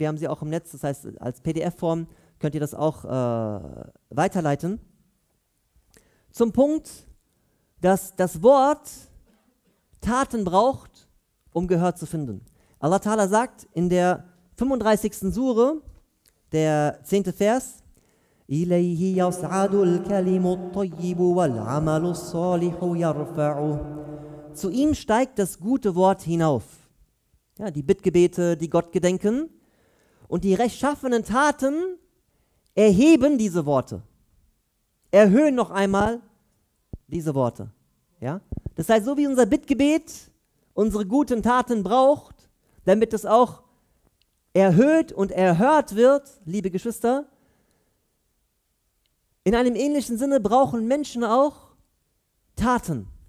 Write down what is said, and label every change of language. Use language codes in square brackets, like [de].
[de] Wir haben sie auch im Netz, das heißt, als PDF-Form könnt ihr das auch weiterleiten. Zum Punkt, dass das Wort Taten braucht, um Gehör zu finden. Allah Ta'ala sagt in der 35. Sure, der 10. Vers, [ar] إليه يصعد الكلم الطيب والعمل الصالح يرفعه. [de] Zu ihm steigt das gute Wort hinauf. Ja, die Bittgebete, die Gott gedenken. Und die rechtschaffenen Taten erheben diese Worte. Erhöhen noch einmal diese Worte. Ja? Das heißt, so wie unser Bittgebet unsere guten Taten braucht, damit es auch erhöht und erhört wird, liebe Geschwister, in einem ähnlichen Sinne brauchen Menschen auch Taten.